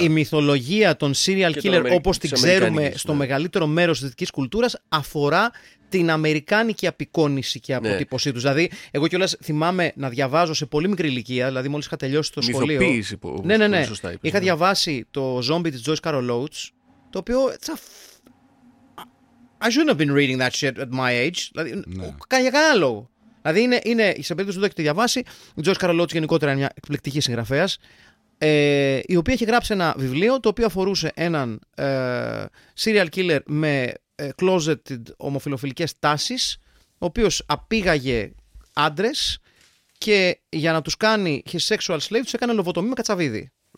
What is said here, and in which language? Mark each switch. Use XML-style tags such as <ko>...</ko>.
<el>Η μυθολογία των serial killer, όπως την ξέρουμε στο μεγαλύτερο μέρος της δυτικής κουλτούρας, αφορά την αμερικάνικη απεικόνιση και αποτύπωσή τους. Δηλαδή, εγώ κιόλας θυμάμαι να διαβάζω σε πολύ μικρή ηλικία, δηλαδή μόλις είχα τελειώσει το σχολείο. Μυθοποίηση, που σωστά είπες. Ναι. Είχα διαβάσει το Zombie της Joyce Carol Oates, το οποίο...</el> <en>I shouldn't have been reading that shit at my age.</en> <el>Δηλαδή, για κανένα λόγο. Δηλαδή, είναι σε περίπτωση που το έχετε διαβάσει, η Joyce Carol Oates γενικότερα είναι μια εκπληκτική συγγραφέας, η οποία είχε γράψει ένα βιβλίο το οποίο αφορούσε έναν serial killer με closeted ομοφιλοφιλικές τάσεις, ο οποίος απήγαγε άντρες και για να τους κάνει</el> <en>his sexual slave</en> <el>τους έκανε λοβοτομή με κατσαβίδι.</el>